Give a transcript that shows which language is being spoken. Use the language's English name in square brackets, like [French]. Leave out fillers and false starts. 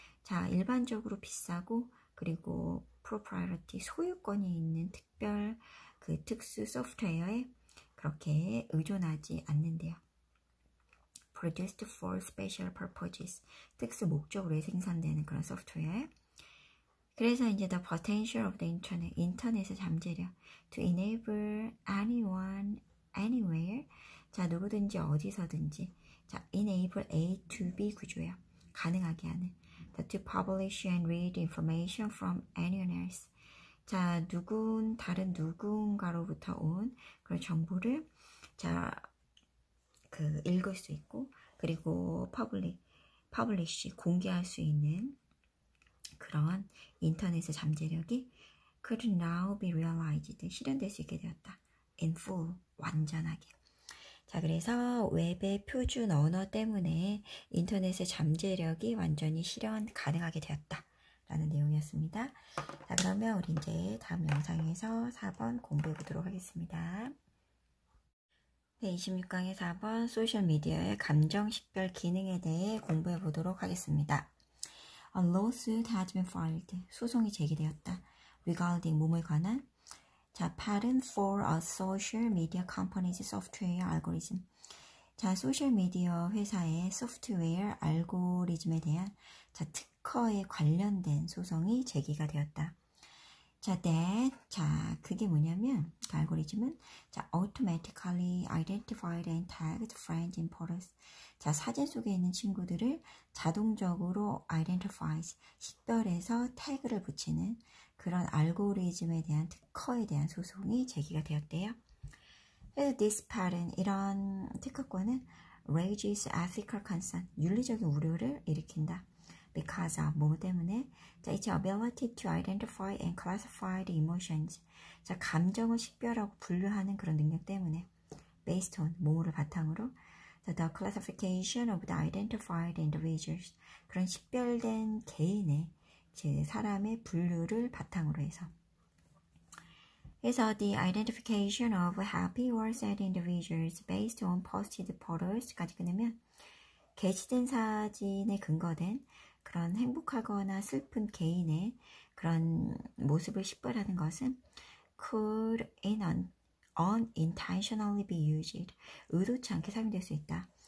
[Korean] 자, 일반적으로 비싸고 그리고 proprietary 소유권이 있는 특수 소프트웨어에 그렇게 의존하지 않는데요. [English] Produced for special purposes. [Korean] 특수 목적으로 생산되는 그런 소프트웨어. 그래서 이제 [English] the potential of the internet. [Korean] 인터넷의 잠재력. [English] To enable anyone, anywhere. [Korean] 자, 누구든지 어디서든지. [English] 자, enable A to B 구조예요. [Korean] 가능하게 하는. [English] To publish and read information from anyone else. [Korean] 자, 다른 누군가로부터 온 그런 정보를 읽을 수 있고, 그리고 publish, 공개할 수 있는 그런 인터넷의 잠재력이 [English] could now be realized, [Korean] 실현될 수 있게 되었다. [English] In full, [Korean] 완전하게. 자, 그래서 웹의 표준 언어 때문에 인터넷의 잠재력이 완전히 실현 가능하게 되었다. 라는 내용이었습니다. 자, 그러면 우리 이제 다음 영상에서 4번 공부해 보도록 하겠습니다. 네, 26강의 4번 소셜미디어의 감정식별 기능에 대해 공부해 보도록 하겠습니다. [English] A lawsuit has been filed. [Korean] 소송이 제기되었다. [English] Regarding [Korean] 뭐뭐에 관한? [English] 자, patent for a social media company's software algorithm. [Korean] 자, 소셜미디어 회사의 소프트웨어 알고리즘에 대한 자, 특허에 관련된 소송이 제기가 되었다. [English] 자, that, 자, [Korean] 그게 뭐냐면, 그 알고리즘은, [English] 자, automatically identified and tagged friends in photos. [Korean] 자, 사진 속에 있는 친구들을 자동적으로 [English] identifies, [Korean] 식별해서 태그를 붙이는 그런 알고리즘에 대한 특허에 대한 소송이 제기가 되었대요. 그래서 [English] this pattern, [Korean] 이런 특허권은 [English] raises ethical concern, [Korean] 윤리적인 우려를 일으킨다. [English] Because of, [Korean] 뭐 때문에? [English] 자, its ability to identify and classify the emotions. [Korean] 자, 감정을 식별하고 분류하는 그런 능력 때문에. [English] Based on, [Korean] 뭐를 바탕으로? [English] 자, the classification of the identified individuals. [Korean] 그런 식별된 개인의, 즉, 사람의 분류를 바탕으로 해서. 그래서 [English] the identification of happy or sad individuals based on posted photos [Korean] 까지 끊으면, 게시된 사진에 근거된 그런 행복하거나 슬픈 개인의 그런 모습을 식별하는 것은 [English] could in unintentionally be used, [Korean] 의도치 않게 사용될 수 있다.